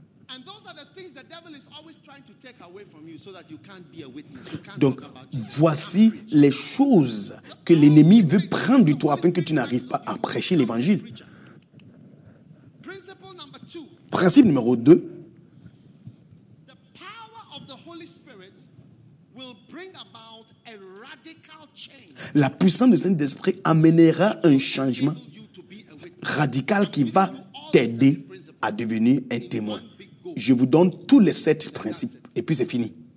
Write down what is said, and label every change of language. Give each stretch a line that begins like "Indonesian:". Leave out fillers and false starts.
English: And those are the things the devil is always trying to take away from you so that you can't be a witness. You can't
French: Donc, voici les choses que l'ennemi veut prendre de toi afin que tu n'arrives pas à prêcher l'évangile.
English: Principle number two.
French: Principe numéro deux.
English: The power of the Holy Spirit will bring about a radical change.
French: La puissance du Saint-Esprit amènera un changement radical qui va t'aider à devenir un témoin. Je vous donne tous les sept principes et puis c'est fini.